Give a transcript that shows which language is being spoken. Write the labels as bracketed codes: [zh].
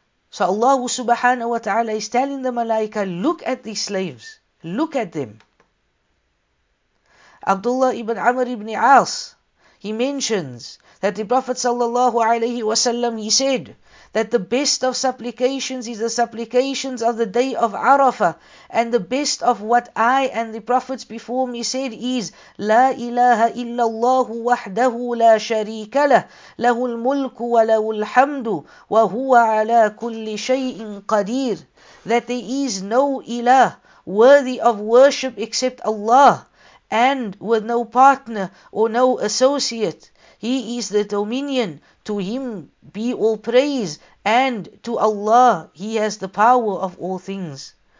[en] So Allah subhanahu wa ta'ala is telling the malaika, look at these slaves. Look at them. Abdullah ibn Amr ibn As, he mentions that the Prophet sallallahu alayhi wa sallam, he said that the best of supplications is the supplications of the day of Arafah. And the best of what I and the prophets before me said is, [ar] لا إله إلا الله وحده لا شريك له له الملك وله الحمد وهو على كل شيء قدير. [en] That there is no ilah worthy of worship except Allah, and with no partner or no associate. He is the dominion. To him be all praise. And to Allah, he has the power of all things.